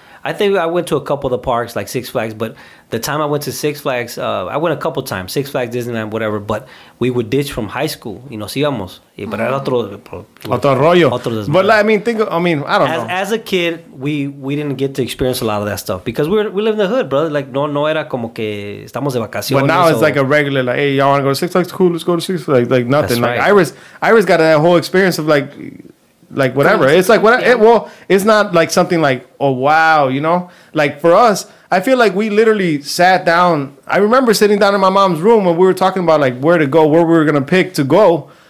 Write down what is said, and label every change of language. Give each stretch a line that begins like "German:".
English: I think I went to a couple of the parks, like Six Flags, but the time I went to Six Flags, I went a couple times, Six Flags, Disneyland, whatever, but we would ditch from high school, you know,
Spanish: sigamos.
English: But
Spanish: era otro, otro rollo. Otro desmayo.
English: But like, I mean, think, I mean, I don't know. As a kid, we didn't get to experience a lot of that stuff because we live in the hood, brother. Like,
Spanish: no era como que estamos de vacaciones.
English: But now it's like a regular, like, hey, y'all want to go to Six Flags? Cool, let's go to Six Flags. Like nothing. Right. Like, Iris got that whole experience of like, whatever. It's like what? Yeah. Well, it's not like something like, oh wow, you know. Like for us, I feel like we literally sat down. I remember sitting down in my mom's room when we were talking about like where to go, where we were gonna pick to go.